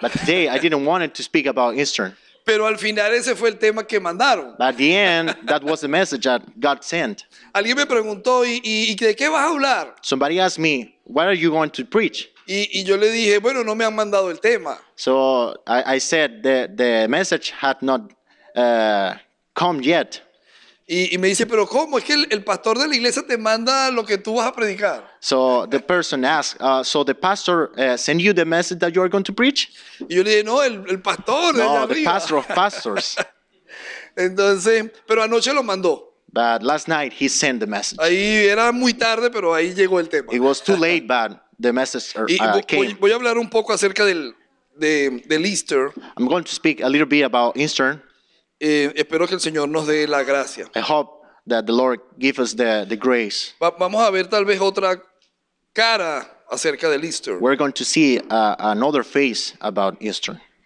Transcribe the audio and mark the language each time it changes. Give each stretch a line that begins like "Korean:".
English: But today, I didn't want to speak about Easter.
Spanish: Pero al final ese fue el tema que mandaron.
English: But at the end, that was the message that God sent.
Spanish: Alguien me preguntó, ¿y de qué vas a hablar?
English: Somebody asked me, what are you going to preach?
Spanish: Y yo le dije, bueno, no me han mandado el tema.
English: So I said the message had not come yet.
Spanish: Y me dice, pero ¿cómo? Es que el pastor de la iglesia te manda lo que tú vas a predicar.
English: So the person asked, so the pastor send you the message that you are going to preach?
Spanish: Y yo le dije, no, el pastor.
English: No, the pastor of pastors.
Spanish: Entonces, pero anoche lo mandó.
English: But last night he sent the message.
Spanish: Ahí era muy tarde, pero ahí llegó el tema.
English: It was too late, but the message came.
Spanish: Voy a hablar un poco acerca del Easter.
English: I'm going to speak a little bit about Easter.
Spanish: Espero que el Señor nos dé la gracia.
English: I hope that the Lord give us the grace.
Spanish: Vamos a ver tal vez otra cara acerca del Easter.
English: We're going to see another face about Easter.